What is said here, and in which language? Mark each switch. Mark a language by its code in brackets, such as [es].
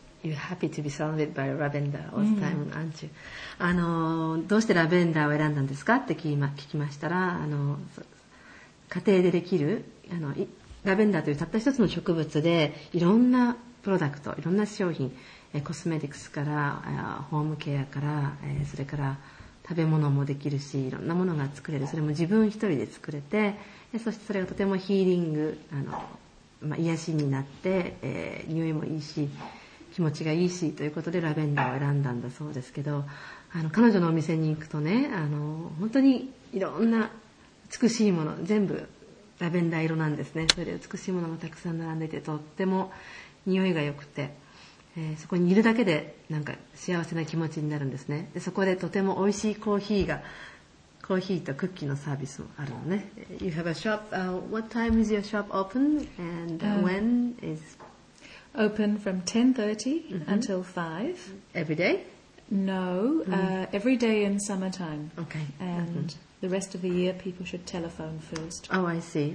[en] You're happy to be surrounded by lavender all the time, aren't you? [ja] どうしてラベンダーを選んだんですかって聞きましたら、家庭でできる、ラベンダーというたった一つの植物で、いろんなプロダクト、いろんな商品、コスメティクスから、ホームケアから、それから食べ物もできるし、いろんなものが作れる。それも自分一人で作れて、そしてそれがとてもヒーリング、癒しになって、匂いもいいし、気持ちがいいしということでラベンダーを選んだんだそうですけど、彼女のお店に行くとね、本当にいろんな美しいもの、全部ラベンダー色なんですね。それで美しいものもたくさん並んでいて、とっても匂いが良くて、そこにいるだけでなんか幸せな気持ちになるんですね。でそこでとても美味しいコーヒーとクッキーのサービスもあるのね。 [en] You have a shop. What time is your shop open? And when is... Open from 10:30 until 5. Every day? No, every day in summertime. Okay. And the rest of the year, people should telephone first. Oh, I see.